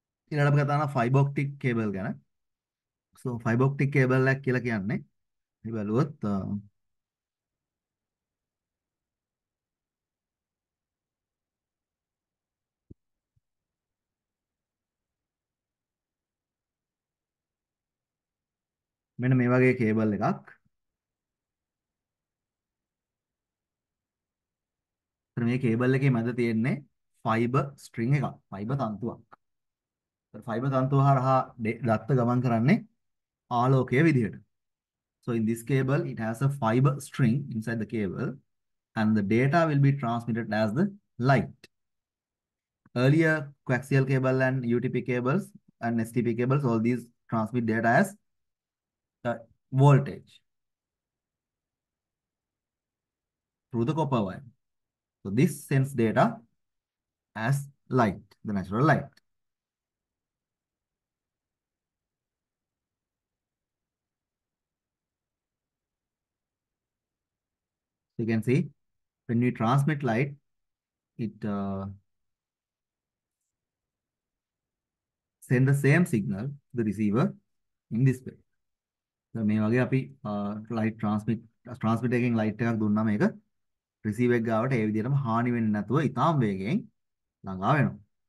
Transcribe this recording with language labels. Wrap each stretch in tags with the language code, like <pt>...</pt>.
<si>ඊළඟට අපි කතා කරනවා fiber optic cable ගැන. So fiber optic cable එකක් කියලා කියන්නේ මේ බලුවොත් මෙන්න මේ වගේ කේබල් එකක්. මේ කේබල් එකේ මැද තියෙන්නේ ෆයිබර් ස්ට්‍රිං එකක්, ෆයිබර් තන්තුවක්. ෆයිබර් තන්තුව හරහා දත්ත ගමන් කරන්නේ ආලෝකයේ විදිහට.</si> <en>So in this cable it has a fiber string inside the cable and the data will be transmitted as the light. Earlier coaxial cable and UTP cables and STP cables, all these transmit data as the voltage through the copper wire. So this sends data as light, the natural light. You can see when we transmit light, it send the same signal to the receiver in this way.</en> <si>So මේ වගේ අපි light transmit එකකින් light එකක් දුන්නාම ඒක receiver එක ගාවට ඒ විදිහටම හානි වෙන්නේ නැතුව ඉතාම වේගෙන් ලඟා වෙනවා.</si>